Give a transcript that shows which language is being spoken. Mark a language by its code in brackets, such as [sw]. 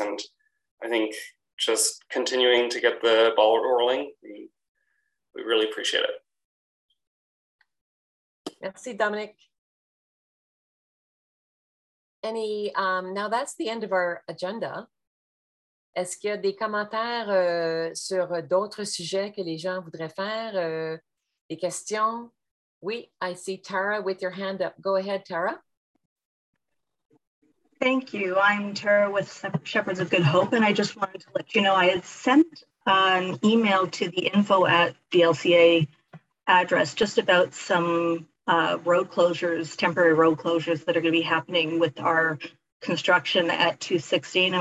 [en] And I think just continuing to get the ball rolling, we really appreciate it. [fr] Merci, Dominic. [en] Any, now that's the end of our agenda. [fr] Est-ce qu'il y a des commentaires sur d'autres sujets que les gens voudraient faire, des questions? [en] Oui, I see Tara with your hand up. Go ahead, Tara. Thank you. I'm Tara with Shepherds of Good Hope, and I just wanted to let you know I had sent an email to the info at the LCA address just about some road closures, temporary road closures that are going to be happening with our construction at 216.